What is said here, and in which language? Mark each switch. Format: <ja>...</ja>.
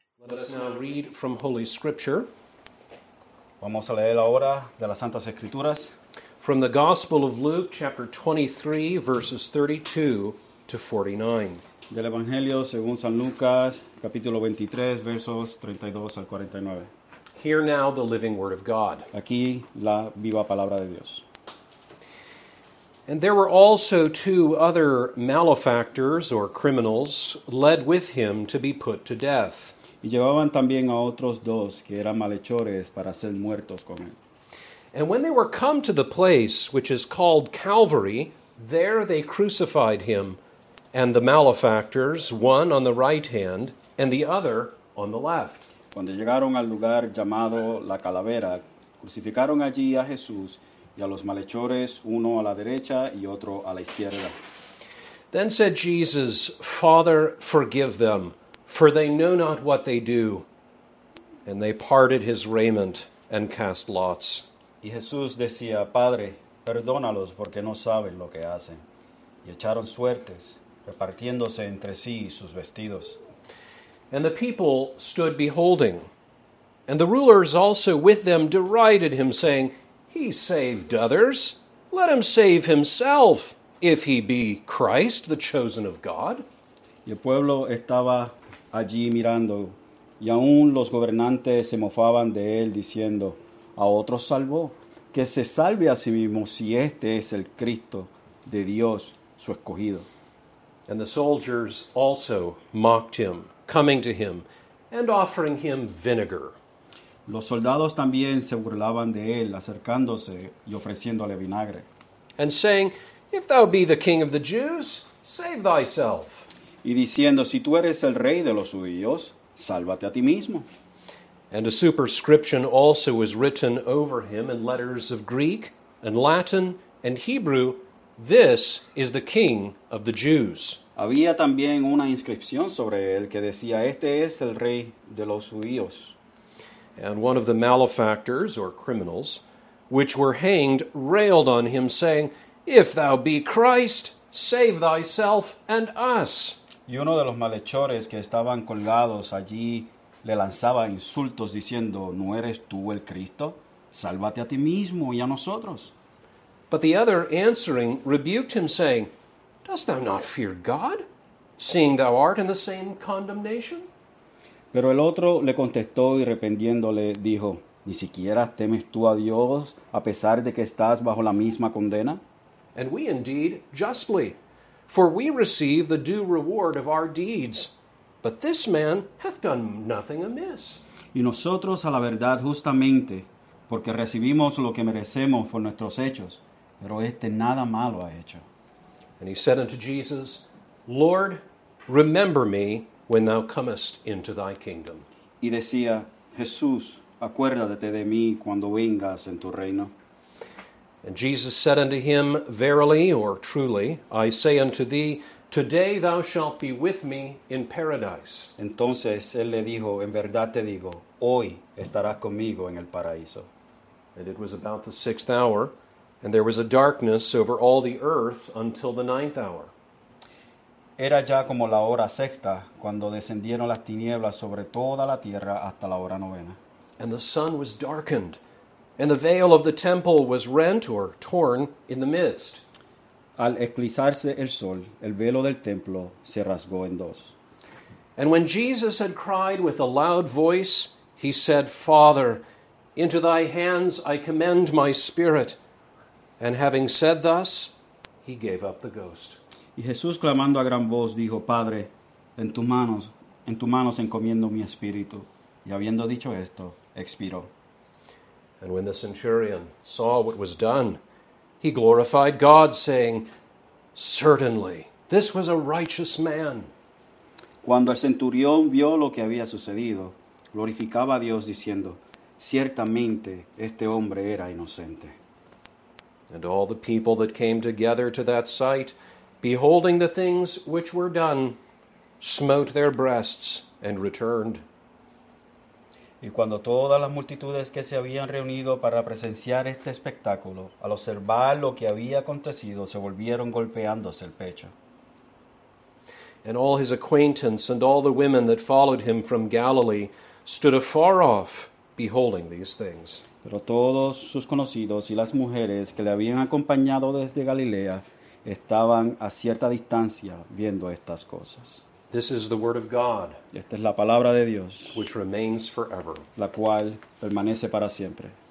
<en>Let us now read from Holy Scripture.</en> <es>Vamos a leer ahora de las Santas Escrituras.</es> <en>From the Gospel of Luke, chapter 23, verses 32 to 49.</en> <es>Del Evangelio según San Lucas, capítulo 23, versos 32 al 49.</es> <en>Hear now the living word of God.</en> <es>Aquí la viva palabra de Dios.</es> <en>And there were also two other malefactors or criminals led with him to be put to death.</en> <es>Y llevaban también a otros dos que eran malhechores para ser muertos con él.</es> <en>And when they were come to the place which is called Calvary, there they crucified him and the malefactors, one on the right hand and the other on the left.</en> <es>Cuando llegaron al lugar llamado La Calavera, crucificaron allí a Jesús y a los malhechores, uno a la derecha y otro a la izquierda.</es> <en>Then said Jesus, Father, forgive them, for they know not what they do. And they parted his raiment and cast lots.</en> <es>Y Jesús decía, Padre, perdónalos porque no saben lo que hacen. Y echaron suertes, repartiéndose entre sí sus vestidos.</es> <en>And the people stood beholding. And the rulers also with them derided him, saying, He saved others. Let him save himself, if he be Christ, the chosen of God.</en> <es>Y el pueblo estaba allí mirando, y aún los gobernantes se mofaban de él, diciendo, A otros salvó, que se salve a sí mismo si este es el Cristo de Dios, su escogido.</es> <en>And the soldiers also mocked him, coming to him and offering him vinegar.</en> <es>Los soldados también se burlaban de él, acercándose y ofreciéndole vinagre.</es> <en>And saying, If thou be the king of the Jews, save thyself.</en> <es>Y diciendo, si tú eres el rey de los judíos, sálvate a ti mismo.</es> <en>And a superscription also was written over him in letters of Greek and Latin and Hebrew, This is the King of the Jews.</en> <es>Había también una inscripción sobre él que decía, este es el rey de los judíos.</es> <en>And one of the malefactors, or criminals, which were hanged, railed on him, saying, if thou be Christ, save thyself and us.</en> <es>Y uno de los malhechores que estaban colgados allí le lanzaba insultos diciendo, ¿no eres tú el Cristo? Sálvate a ti mismo y a nosotros.</es> <en>But the other answering rebuked him, saying, dost thou not fear God, seeing thou art in the same condemnation?</en> <es>Pero el otro le contestó y reprendiéndole dijo, ¿ni siquiera temes tú a Dios a pesar de que estás bajo la misma condena?</es> <en>And we indeed justly, for we receive the due reward of our deeds. But this man hath done nothing amiss.</en> <es>Y nosotros a la verdad justamente, porque recibimos lo que merecemos por nuestros hechos, pero este nada malo ha hecho.</es> <en>And he said unto Jesus, Lord, remember me when thou comest into thy kingdom.</en> <es>Y decía, Jesús, acuérdate de mí cuando vengas en tu reino.</es> <en>And Jesus said unto him, verily, or truly, I say unto thee, today thou shalt be with me in paradise.</en> <es>Entonces él le dijo, en verdad te digo, hoy estarás conmigo en el paraíso.</es> <en>And it was about the sixth hour, and there was a darkness over all the earth until the ninth hour.</en> <es>Era ya como la hora sexta, cuando descendieron las tinieblas sobre toda la tierra hasta la hora novena.</es> <en>And the sun was darkened, and the veil of the temple was rent or torn in the midst.</en> <es>Al eclipsarse el sol, el velo del templo se rasgó en dos.</es> <en>And when Jesus had cried with a loud voice, he said, Father, into thy hands I commend my spirit. And having said thus, he gave up the ghost.</en> <es>Y Jesús, clamando a gran voz, dijo, Padre, en tus manos encomiendo mi espíritu. Y habiendo dicho esto, expiró.</es> <en>And when the centurion saw what was done, he glorified God, saying, certainly, this was a righteous man.</en> <es>Cuando el centurión vio lo que había sucedido, glorificaba a Dios, diciendo, ciertamente, este hombre era inocente.</es> <en>And all the people that came together to that sight, beholding the things which were done, smote their breasts and returned.</en> <es>Y cuando todas las multitudes que se habían reunido para presenciar este espectáculo, al observar lo que había acontecido, se volvieron golpeándose el pecho.</es> <en>And all his acquaintance and all the women that followed him from Galilee stood afar off, beholding these things.</en> <es>Pero todos sus conocidos y las mujeres que le habían acompañado desde Galilea estaban a cierta distancia viendo estas cosas.</es> <en>This is the word of God.</en> <es>Esta es la palabra de Dios,</es> <en>which remains forever.</en> <es>La cual permanece para siempre.</es>